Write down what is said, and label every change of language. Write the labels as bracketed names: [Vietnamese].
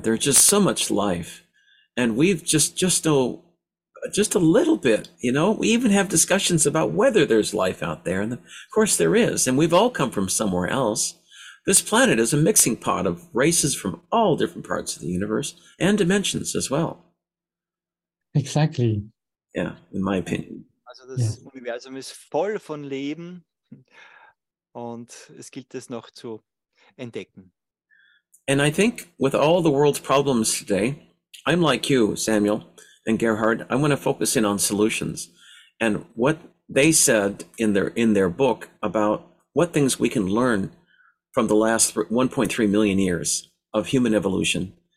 [English] There's just so much life. And we've just a little bit, you know, we even have discussions about whether there's life out there. And of course there is. And we've all come from somewhere else. This planet is a mixing pot of races from all different parts of the universe and dimensions as well. Exactly. Yeah, in my opinion. [German] Also das Universum ist voll von Leben und es gilt es noch zu entdecken. [English] And I think with all the world's problems today, I'm like you, Samuel and Gerhard, I want to focus in on solutions and what they said in their book about what things we can learn from the last 1.3 million years of human evolution.